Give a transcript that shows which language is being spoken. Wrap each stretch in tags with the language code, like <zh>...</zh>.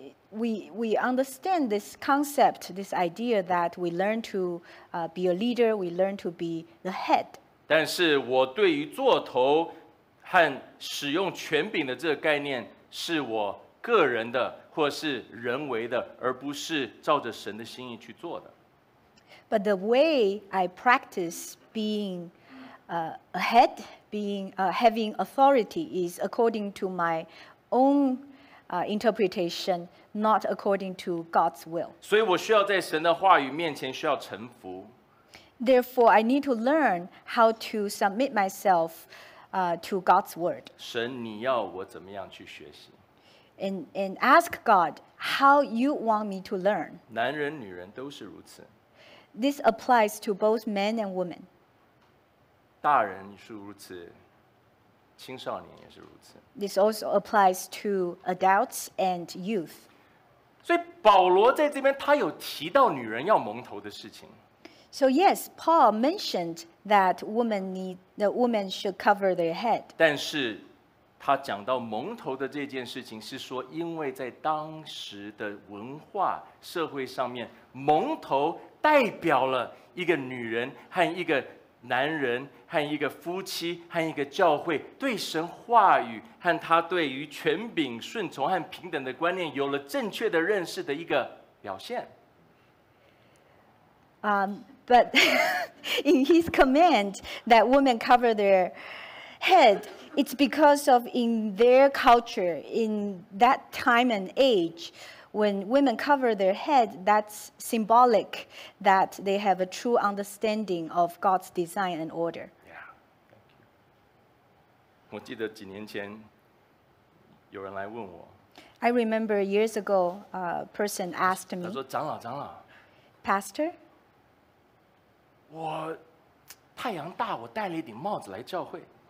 <en>We understand this concept, this idea that we learn to be a leader, we learn to be the head.</en> <zh>但是我对于做头和使用权柄的这个概念是我个人的或是人为的，而不是照着神的心意去做的。</zh> <en>But the way I practice being a head, being having authority is according to my own interpretation, not according to God's will.</en> <zh>所以我需要在神的话语面前需要臣服。</zh> <en>Therefore, I need to learn how to submit myself to God's word.</en> <zh>神，你要我怎么样去学习？</zh> <en>And ask God how you want me to learn.</en> <zh>男人女人都是如此。</zh> <en>This applies to both men and women.</en> <zh>大人是如此，青少年也是如此。</zh> <en>This also applies to adults and youth.</en> <zh>所以保罗在这边他有提到女人要蒙头的事情。</zh> <en>So yes, Paul mentioned that women should cover their head.</en> <zh>但是他讲到蒙头的这件事情是说，因为在当时的文化社会上面，蒙头代表了一个女人和一个男人和一个夫妻和一个教会对神话语和他对于权柄顺从和平等的观念有了正确的认识的一个表现。</zh> <en>But in his command that women cover their head, it's because of in their culture, in that time and age, when women cover their head, that's symbolic that they have a true understanding of God's design and order. Yeah.</en> <zh>我记得几年前有人来问我。</zh> <en>I remember years ago, a person asked me.</en> <zh>他说：“长老，长老。</zh> <en>”Pastor.</en> <zh>我太阳大，我戴了一顶帽子来教会。</zh>